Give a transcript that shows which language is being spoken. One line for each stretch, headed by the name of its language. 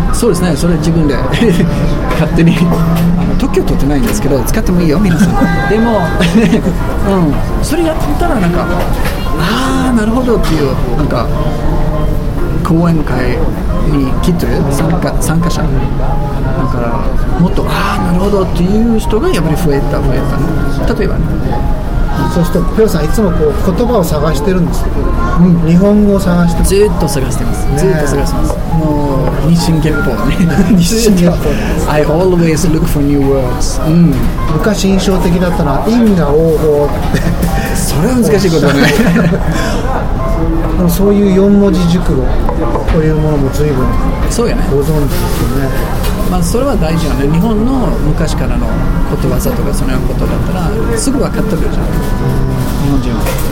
Japanese: そうですねそれ自分で勝手に特許取ってないんですけど使ってもいいよ皆さんでも、うん、それやってたらなんかああなるほどっていうなんか講演会に来てる参加者だからもっとああなるほどっていう人がやっぱり増えた、ね、例えば、ね、そしてピオさんいつもこう言葉を探してるんですけど、うん、日本語を探してずっと探してます、ね、ずっと探してますもう日進月歩ね日進月歩
English: I always look for new words、
Japanese: うん、昔印象的だったのは因果応報ってそれは難しいことねそういう四文字熟語というものも随分そうやねご存知ですよね。まあ、それは大事よね。日本の昔からのことわざとかそのようなことだったらすぐ分かってるじゃん、日本人は。